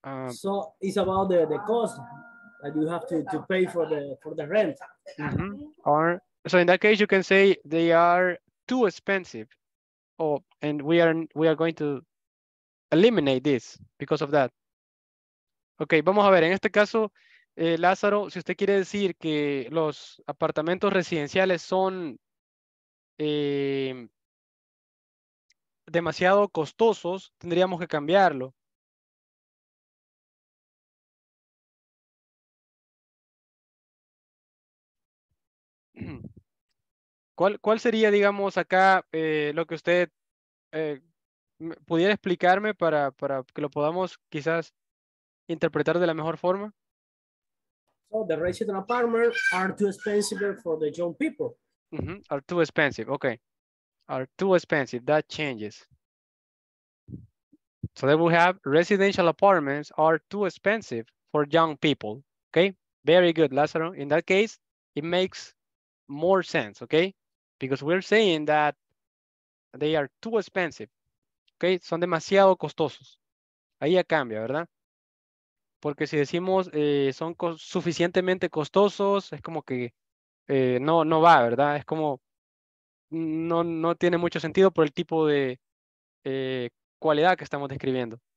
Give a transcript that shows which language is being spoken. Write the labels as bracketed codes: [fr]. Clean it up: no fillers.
[en] So it's about the cost that you have to pay for the rent. Mm-hmm. Or, so in that case, you can say they are too expensive. Oh, and we are going to eliminate this because of that. [es] Okay, vamos a ver. En este caso, Lázaro, si usted quiere decir que los apartamentos residenciales son demasiado costosos, tendríamos que cambiarlo. ¿Cuál sería, digamos, acá lo que usted pudiera explicarme para que lo podamos quizás interpretar de la mejor forma? [en] So the resident apartments are too expensive for the young people. Mm-hmm. Are too expensive, okay. Are too expensive, that changes. So then we have residential apartments are too expensive for young people, okay? Very good, Lázaro. In that case, it makes more sense, okay? Because we're saying that they are too expensive, okay? [es] Son demasiado costosos. Ahí ya cambia, ¿verdad? Porque si decimos son suficientemente costosos, es como que no va, ¿verdad? Es como no tiene mucho sentido por el tipo de cualidad que estamos describiendo.